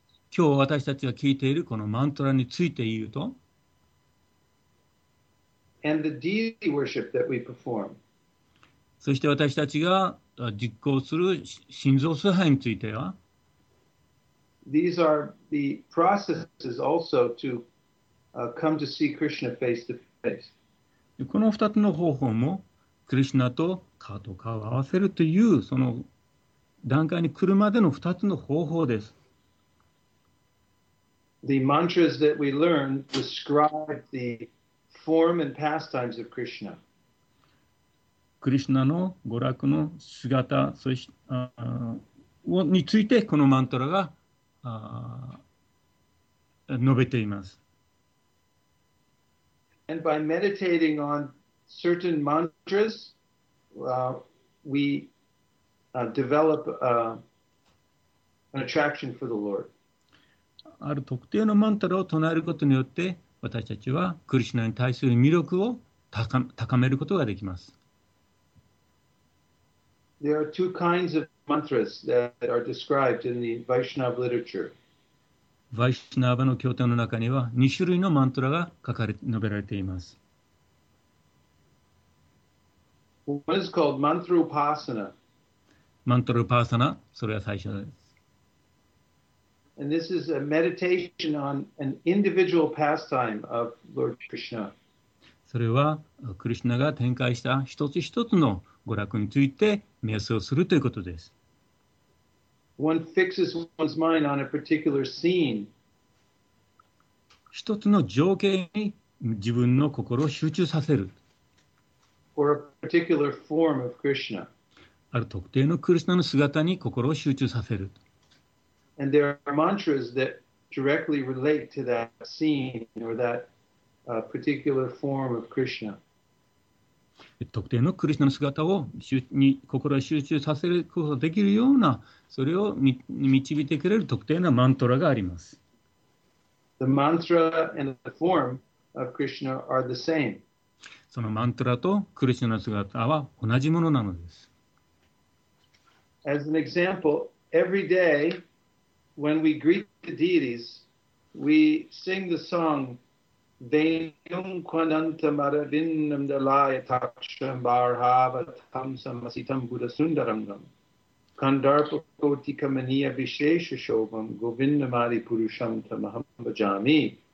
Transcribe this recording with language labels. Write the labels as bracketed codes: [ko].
[ja] 今日私たちが聞いているこのマントラについて言うと、 [en] And the deity worship that we perform. [ja] そして私たちが実行する心臓崇拝については、 [en] These are the processes also to come to see Krishna face to face. [ja] この2つの方法も、クリシュナと顔と顔を合わせるというその段階に来るまでの2つの方法です。 [en] The mantras that we learn describe the form and pastimes of Krishna. [ja] Krishna の娯楽の姿そしてについてこのマントラが述べています。 [en] And by meditating on certain mantras, we develop an attraction for the Lord. [ja] ある特定のマントラを唱えることによって私たちはクリシュナに対する魅力を高めることができます。 [en] There are two kinds of mantras that are described in the Vaishnava literature. [ja] Vaishnava の経典の中には2種類のマントラが述べられています。 [en] One is called Mantra Upasana. [ja] マントラ Upasana、それは最初です。 [en] And this is a meditation on an individual pastime of Lord Krishna. [ja] それはクリシュナが展開した一つ一つの娯楽について瞑想するということです。 [en] One fixes one's mind on a particular scene. [ja] 一つの情景に自分の心を集中させる。 [en] or a particular form of Krishna. [ja] ある特定のクリシュナの姿に心を集中させる。 [en] And there are mantras that directly relate to that scene or that particular form of Krishna. [ja] 特定のクリシュナの姿をに心を集中させることができるようなそれを導いてくれる特定なマントラがあります。 [en] The mantra and the form of Krishna are the same. [ja] そのマントラとクリシュナの姿は同じものなのです。 [en] As an example, every day when we greet the deities, we sing the song [sa] Deyum Kwananta Maravinam Dalaya Taksham Barhava Tamsam Masitam Buddha Sundarangam Kandarpa Kotika Maniya Vishesha Shobham Govindamari Purusham Tamahambajami.